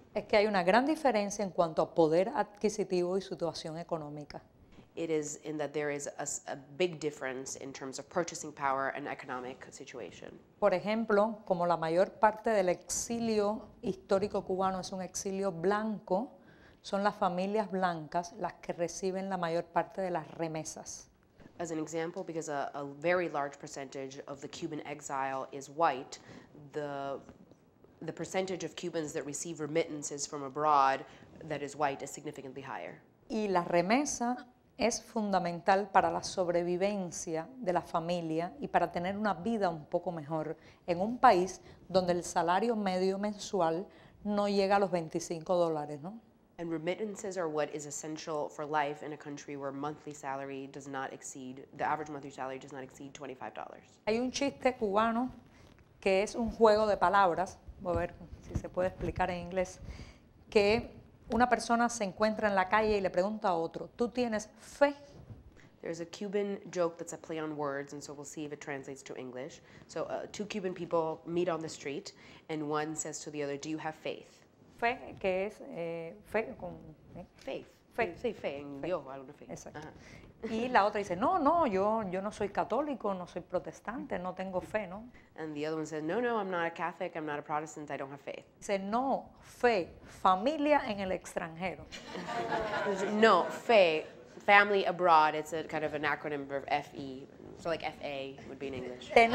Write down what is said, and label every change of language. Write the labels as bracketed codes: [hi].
[es] Es que hay una gran diferencia en cuanto a poder adquisitivo y situación económica. [en] It is in that there is a big difference in terms of purchasing power and economic situation. [es] Por ejemplo, como la mayor parte del exilio histórico cubano es un exilio blanco, son las familias blancas las que reciben la mayor parte de las remesas. [en] As an example, because a very large percentage of the Cuban exile is white, the percentage of Cubans that receive remittances from abroad that is white is significantly higher. [es] Y la remesa es fundamental para la sobrevivencia de la familia y para tener una vida un poco mejor en un país donde el salario medio mensual no llega a los $25, ¿no? [en] And remittances are what is essential for life in a country where monthly salary does not exceed, the average monthly salary does not exceed $25. [es] Hay un chiste cubano que es un juego de palabras, voy a ver si se puede explicar en inglés, que una persona se encuentra en la calle y le pregunta a otro, ¿tú tienes fe? [en] There's a Cuban joke that's a play on words, and so we'll see if it translates to English. So two Cuban people meet on the street, and one says to the other, do you have faith? [es] Fe, que es fe con fe. Sí, fe en Dios, alguna fe. Exacto. Uh-huh. Y la otra dice, no, yo no soy católico, no soy protestante, no tengo fe, ¿no? [en] And the other one says, no, I'm not a Catholic, I'm not a Protestant, I don't have faith. [es] Dice, no, fe, familia en el extranjero. [en] No, fe, family abroad, it's a kind of an acronym for F-E. So like F-A would be in English.